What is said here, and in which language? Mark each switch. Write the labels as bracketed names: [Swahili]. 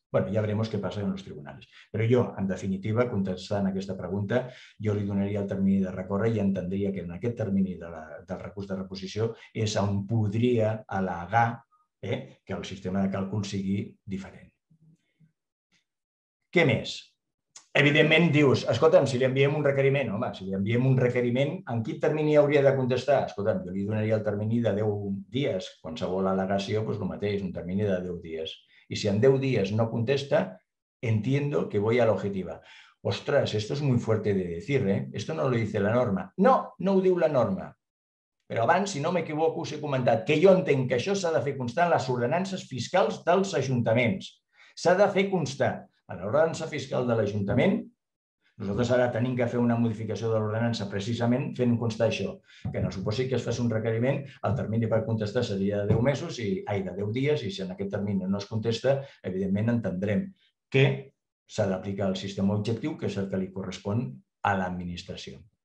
[Catalan] Bueno, ja veremos què passa en els tribunals. Però jo, en definitiva, contestant aquesta pregunta, jo li donaria el termini de recórrer i entendria que en aquest termini del recurs de reposició és on podria al·legar que el sistema de càlcul sigui diferent. Què més? Evidentment, dius, escolta'm, si li enviem un requeriment, home, si li enviem un requeriment, en quin termini hauria de contestar? Escolta'm, jo li donaria el termini de 10 dies. Qualsevol al·legació, doncs el mateix, un termini de 10 dies. I si en 10 dies no contesta, [Spanish] entiendo que voy a la objetiva. Ostres, esto es muy fuerte de decir, ¿eh? Esto no lo dice la norma. [Catalan] No, no ho diu la norma. Però abans, si no m'equivoco, us he comentat que jo entenc que això s'ha de fer constar en les ordenances fiscals dels ajuntaments. S'ha de fer constar en l'ordenança fiscal de l'Ajuntament. Nosaltres ara hem de fer una modificació de l'ordenança precisament fent constar això, que en el supòsit que es faci un requeriment, el termini per contestar seria de 10 mesos, de 10 dies, i si en aquest termini no es contesta, evidentment entendrem que s'ha d'aplicar el sistema objectiu, que és el que li correspon a l'administració.